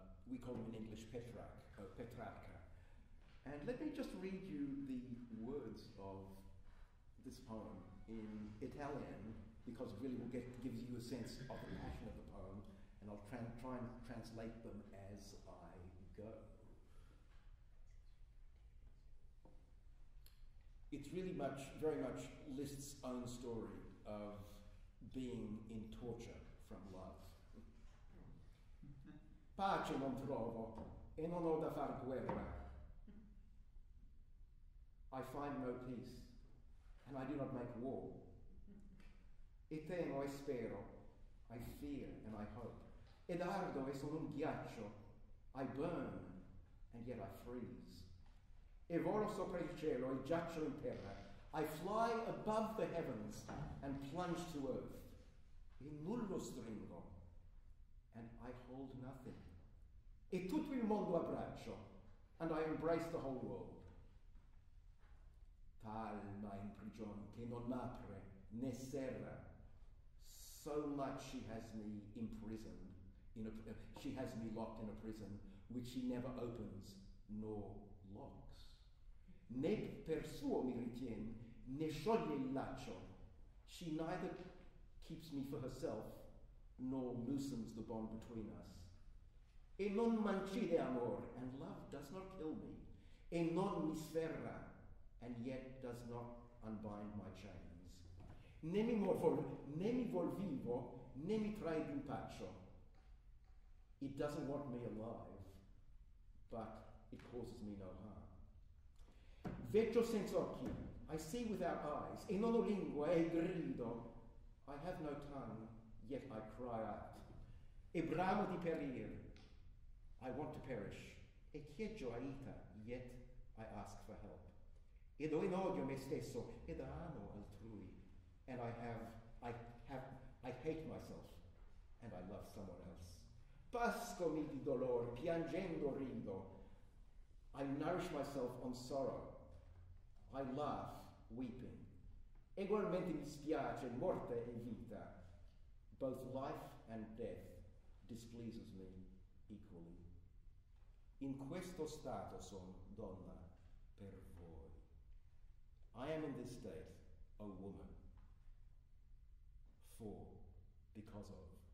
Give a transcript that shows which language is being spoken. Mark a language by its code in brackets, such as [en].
[en] We call him in English Petrarca. And let me just read you the words of this poem in Italian, because it really will give you a sense of the passion of the poem, and I'll try and translate them as I go. It's really much, very much Liszt's own story of being in torture from love. [it] Pace non trovo e non ho da far guerra. [en] I find no peace and I do not make war. [it] E temo e spero, [en] I fear and I hope. [it] Ed ardo e sono un ghiaccio, [en] I burn and yet I freeze. [it] E volo sopra il cielo e giaccio in terra. [en] I fly above the heavens and plunge to earth. [it] E nullo stringo, [en] and I hold nothing. [it] E tutto il mondo abbraccio, [en] and I embrace the whole world. [it] Tal ma in prigion che non apre né serra. [en] So much she has me imprisoned, she has me locked in a prison which she never opens nor locks. [it] Né per suo mi ritien, né scioglie il laccio. [en] She neither keeps me for herself, nor loosens the bond between us. [it] E non m'uccide amor, [en] and love does not kill me. [it] E non mi sferra, [en] and yet does not unbind my chains. [it] Né mi vuol vivo, né mi trae d'impaccio. [en] It doesn't want me alive, but it causes me no harm. [it] Vecchio senza occhi, [en] I see without eyes. [it] E non ho lingua, e grido. [en] I have no tongue, yet I cry out. [it] E bramo di perir, [en] I want to perish. [it] E chiedo aiuto, [en] yet I ask for help. [it] Ed ho in odio me stesso, ed amo altrui. [en] And I hate myself, and I love someone else. [it] Pasco mi di dolor, piangendo rido. [en] I nourish myself on sorrow. I laugh, weeping. [it] Egualmente mi spiace morte e vita. [en] Both life and death displeases me equally. [it] In questo stato son donna per voi. [en] I am in this state, a woman, for, because of you.